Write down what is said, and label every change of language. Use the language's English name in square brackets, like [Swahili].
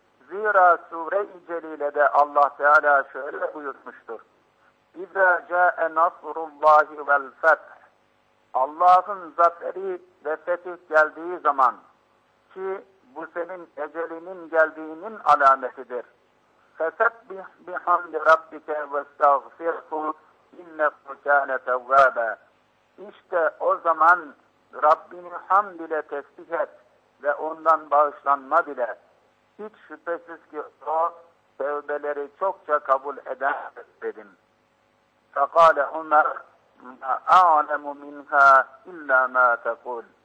[Turkish] Zira sure-i celilede Allah Teala şöyle buyurmuştur. [Arabic] İzâ câe nasrullâhi vel feth. [Turkish] Allah'ın zaferi ve fetih geldiği zaman ki bu senin ecelinin geldiğinin alametidir. [Arabic] فسبح بحمد ربك واستغفره إنه كان توابا. [Turkish] İşte o zaman Rabbini hamd ile tesbih et ve ondan bağışlanma dile. Hiç şüphesiz ki o tövbeleri çokça kabul eden dedim. [Arabic] فَقَالَ عُمَرْ مَا أَعْلَمُ مِنْهَا إِلَّا مَا تَقُولُ.